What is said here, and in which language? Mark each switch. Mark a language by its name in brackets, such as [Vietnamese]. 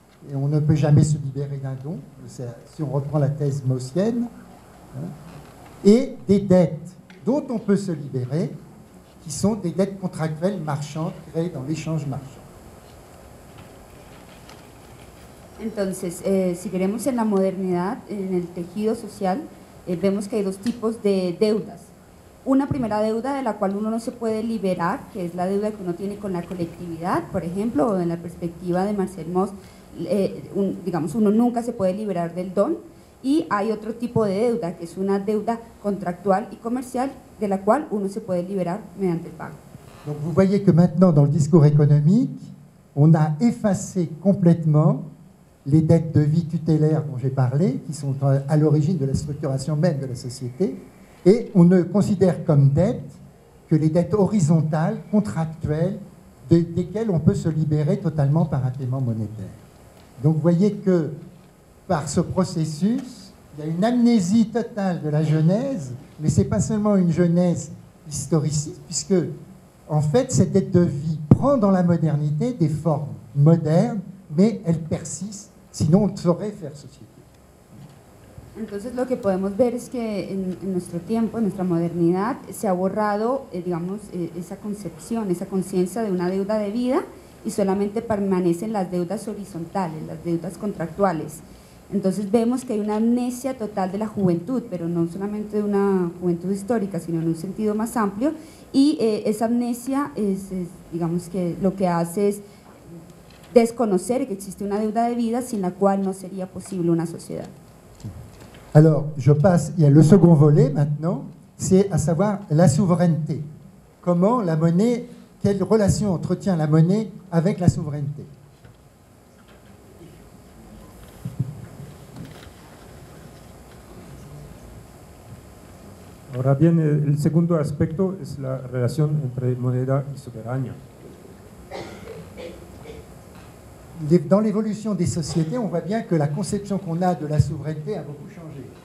[French] Et on ne peut jamais se libérer d'un don, si on reprend la thèse maussienne. Et des dettes dont on peut se libérer, qui sont des dettes contractuelles marchandes créées dans l'échange marchand. [Spanish] Entonces, si queremos en la modernidad, en el tejido social, vemos que hay dos tipos de deudas. Una primera deuda de la cual uno no se puede liberar, que es la deuda que uno tiene con la colectividad, por ejemplo, o en la perspectiva de Marcel Mauss, digamos, uno nunca se puede liberar del don. y hay otro tipo de deuda, que es una deuda contractual y comercial, de la cual uno se puede liberar mediante el pago. [French] Donc vous voyez que maintenant, dans le discours économique, on a effacé complètement les dettes de vie tutélaire dont j'ai parlé, qui sont à l'origine de la structuration même de la société, et on ne considère comme dettes que les dettes horizontales, contractuelles, desquelles on peut se libérer totalement par un paiement monétaire. Donc vous voyez que par ce processus, il y a une amnésie totale de la genèse, mais ce n'est pas seulement une genèse historiciste, puisque en fait, cette dette de vie prend dans la modernité des formes modernes, mais elle persiste, sinon on ne saurait faire société. [Spanish] Entonces, lo que podemos ver es que en nuestro tiempo, en nuestra modernidad, se ha borrado, digamos, esa concepción, esa conciencia de una deuda de vida, y solamente permanecen las deudas horizontales, las deudas contractuales. Entonces, vemos que hay una amnesia total de la juventud, pero no solamente de una juventud histórica, sino en un sentido más amplio, y esa amnesia es, digamos, que lo que hace es desconocer que existe una deuda de vida sin la cual no sería posible una sociedad. [French] Alors, je passe, il y a le second volet maintenant, c'est à savoir la souveraineté. Comment la monnaie, quelle relation entretient la monnaie avec la souveraineté? [Spanish] Ahora bien, el segundo aspecto es la relación entre moneda y soberanía. [French] Dans l'évolution des sociétés, on voit bien que la conception qu'on a de la souveraineté a beaucoup changé.